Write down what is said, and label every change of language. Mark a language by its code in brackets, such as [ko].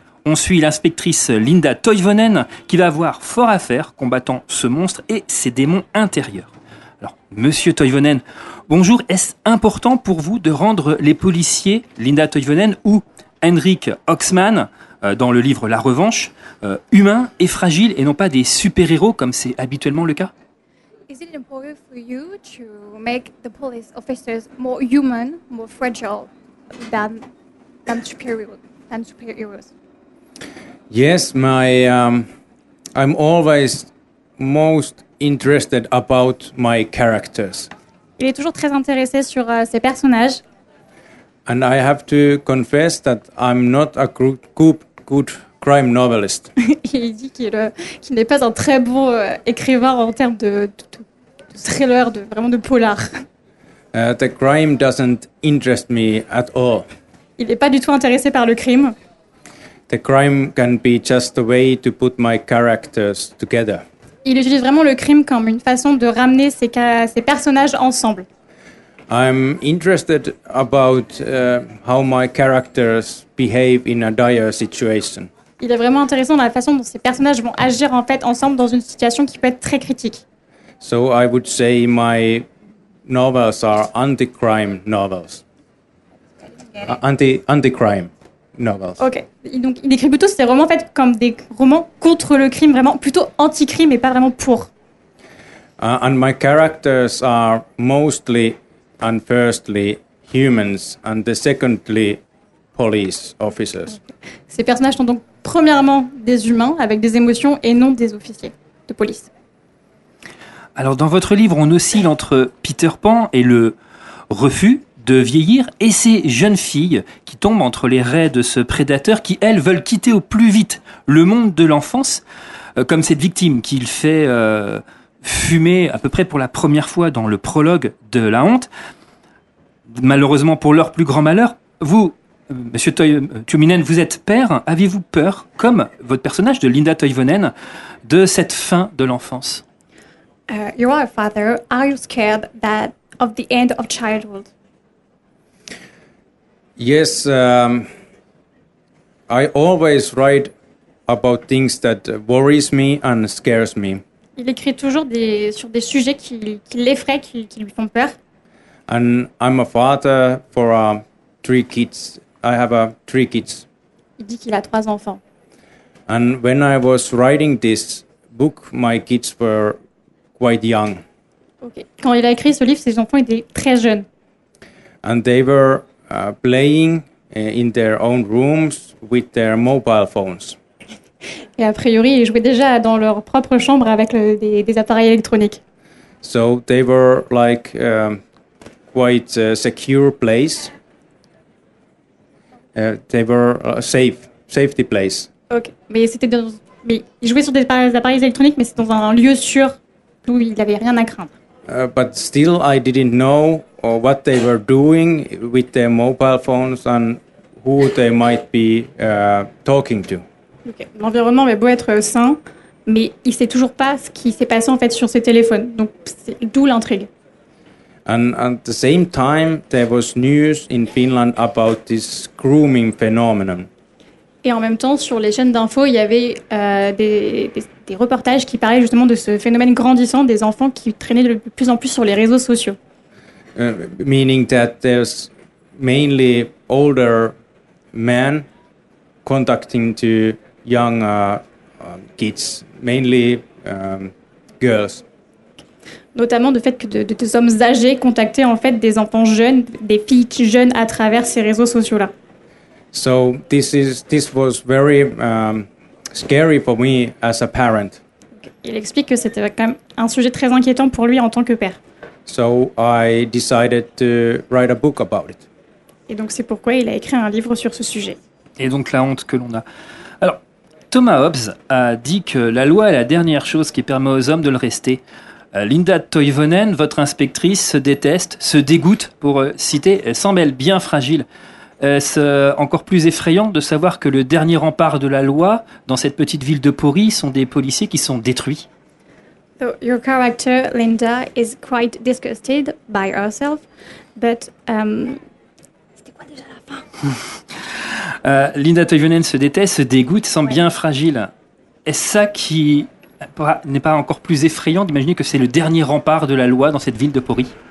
[fr] On suit l'inspectrice Linda Toivonen qui va avoir fort à faire combattant ce monstre et ses démons intérieurs. Alors, monsieur Toivonen, bonjour, est-ce important pour vous de rendre les policiers Linda Toivonen ou Henrik Oxman, dans le livre La Revanche, humains et fragiles et non pas des super-héros comme c'est habituellement le cas? [en] Is it important for you to make the police officers more human, more fragile than superheroes? Yes, my I'm always most interested about my characters. [fr] Il est toujours très intéressé sur ses personnages. [en] And I have to confess that I'm not a good crime novelist. [fr] Il dit qu'il n'est pas un très bon écrivain en termes de thriller, de vraiment de polar. [en] The crime doesn't interest me at all. [fr] Il n'est pas du tout intéressé par le crime. [en] The crime can be just a way to put my characters together. [fr] Il utilise vraiment le crime comme une façon de ramener ses personnages ensemble. [en] I'm interested about how my characters behave in a dire situation. [fr] Il est vraiment intéressant dans la façon dont ses personnages vont agir en fait ensemble dans une situation qui peut être très critique. [en] So I would say my novels are anti-crime novels. Anti-crime. Novels. [fr] Ok, donc il écrit plutôt ses romans en fait comme des romans contre le crime, vraiment plutôt anti-crime et pas vraiment pour. [en] And my characters are mostly and firstly humans and the secondly police officers. Okay. [fr] Ces personnages sont donc premièrement des humains avec des émotions et non des officiers de police. Alors dans votre livre, on oscille entre Peter Pan et le refus de vieillir, et ces jeunes filles qui tombent entre les raies de ce prédateur qui, elles, veulent quitter au plus vite le monde de l'enfance, comme cette victime qu'il fait fumer à peu près pour la première fois dans le prologue de La Honte. Malheureusement, pour leur plus grand malheur, vous, monsieur Tuominen, vous êtes père, avez-vous peur, comme votre personnage de Linda Toivonen, de cette fin de l'enfance? [en] You are a father. Are you scared that of the end of childhood? Yes, I always write about things that worries me and scares me. [fr] Il écrit toujours sur des sujets qui l'effraient, qui lui font peur. [en] And I'm a father for three kids. I have three kids. [fr] Il dit qu'il a trois enfants. [en] And when I was writing this book, my kids were quite young. Okay. [fr] Quand il a écrit ce livre, ses enfants étaient très jeunes. [en] And they were playing in their own rooms with their mobile phones. [fr] Et a priori, ils jouaient déjà dans leur propre chambre avec des appareils électroniques. [en] So they were like quite a secure place. They were safety place. [fr] OK, mais ils jouaient sur des appareils électroniques, mais c'était dans un lieu sûr où il n'y avait rien à craindre. [en] But still I didn't know or what they were doing with their mobile phones and who they might be talking to. Okay. [fr] L'environnement avait beau être sain, mais il sait toujours pas ce qui s'est passé en fait sur ses téléphones. Donc d'où l'intrigue. [en] And at the same time, there was news in Finland about this grooming phenomenon. [fr] Et en même temps, sur les chaînes d'info, il y avait des reportages qui parlaient justement de ce phénomène grandissant des enfants qui traînaient de plus en plus sur les réseaux sociaux. [en] Meaning that there's mainly older men contacting to young kids, mainly girls. [fr] Notamment de fait que des hommes âgés contactaient en fait des enfants jeunes, des filles jeunes à travers ces réseaux sociaux-là. [en] So this was very scary for me as a parent. [fr] Il explique que c'était quand même un sujet très inquiétant pour lui en tant que père. [en] So I decided to write a book about it. [fr] Et donc c'est pourquoi il a écrit un livre sur ce sujet. Et donc La Honte que l'on a. Alors, Thomas Hobbes a dit que la loi est la dernière chose qui permet aux hommes de le rester. Linda Toivonen, votre inspectrice, se déteste, se dégoûte, pour citer, elle semble bien fragile. Est-ce encore plus effrayant de savoir que le dernier rempart de la loi dans cette petite ville de Pori sont des policiers qui sont détruits? [en] So your character, Linda, is quite disgusted by herself, but... [fr] C'était quoi déjà la fin? Linda Toivonen se déteste, se dégoûte, semble bien fragile. Est-ce ça qui n'est pas encore plus effrayant d'imaginer que c'est le dernier rempart de la loi dans cette ville de Pori?